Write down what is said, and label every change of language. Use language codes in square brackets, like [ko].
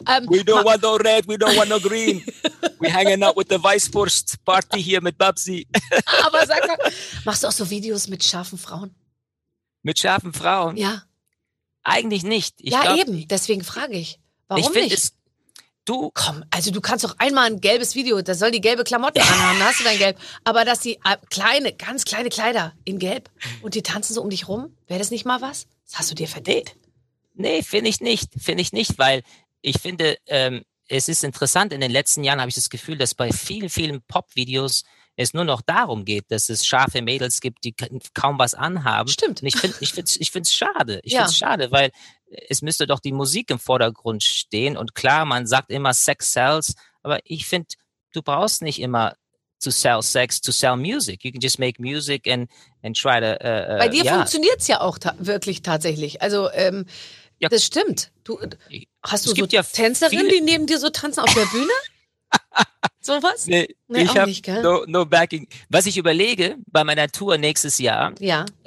[en] We don't want no red, we don't want no green. We're hanging out with the Weißwurst Party here mit Babsi. [de] Aber sag mal, machst du auch so Videos mit scharfen Frauen? Mit scharfen Frauen? Ja. Eigentlich nicht. Deswegen frage ich. Warum ich nicht? Du kannst doch einmal ein gelbes Video, da soll die gelbe Klamotten anhaben, da hast du dein Gelb. Aber dass die kleine, ganz kleine Kleider in Gelb und die tanzen so um dich rum, wäre das nicht mal was? Das hast du dir verdient? Nee, finde ich nicht, weil ich finde, es ist interessant, in den letzten Jahren habe ich das Gefühl, dass bei vielen, vielen Pop-Videos es nur noch darum geht, dass es scharfe Mädels gibt, die kaum was anhaben. Stimmt. Und ich finde es schade, weil es müsste doch die Musik im Vordergrund stehen. Und klar, man sagt immer Sex sells, aber ich finde, du brauchst nicht immer [en] to sell sex, to sell music. You can just make music and try to... [de] Bei dir funktioniert es ja auch wirklich tatsächlich. Also, ja, das stimmt. Du, hast du so ja Tänzerinnen, die neben dir so tanzen auf der Bühne? Sowas? Nee, ich habe [en] no backing. [de] Was ich überlege bei meiner Tour nächstes Jahr, ja.